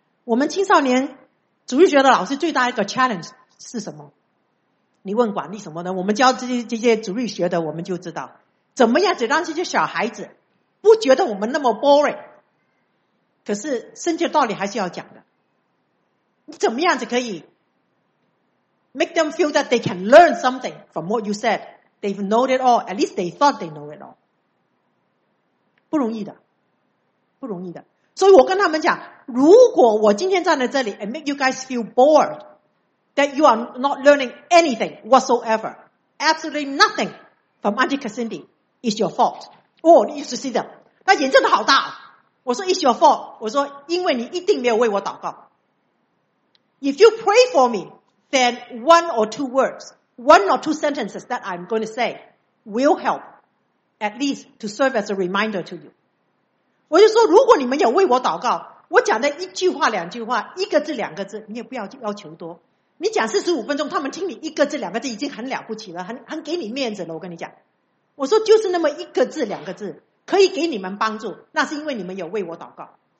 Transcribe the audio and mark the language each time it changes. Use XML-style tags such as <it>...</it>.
<zh>我们青少年主日学的老师最大一个 challenge 是什么？你问管理什么呢？我们教这些主日学的，我们就知道怎么样子让这些小孩子不觉得我们那么 boring， 可是圣经道理还是要讲的。你怎么样子可以</zh> <en>make them feel that they can learn something from what you said. They've known it all. At least they thought they know it all.</en> <zh>不容易的，不容易的。所以我跟他们讲，如果我今天站在这里</zh> <en>and make you guys feel bored that you are not learning anything whatsoever, absolutely nothing from Auntie Cassandra, it's your fault. Oh, you used to see them.</en> <zh>那眼睛都好大。我说</zh> <en>it's your fault.</en> <zh>我说因为你一定没有为我祷告。</zh> <en>If you pray for me, then one or two words, one or two sentences that I'm going to say will help at least to serve as a reminder to you.</en> <zh>我就说如果你们有为我祷告，我讲的一句话两句话，一个字两个字，你也不要要求多。你讲45分钟，他们听你一个字两个字已经很了不起了，很给你面子了。我跟你讲，我说就是那么一个字两个字可以给你们帮助，那是因为你们有为我祷告。</zh>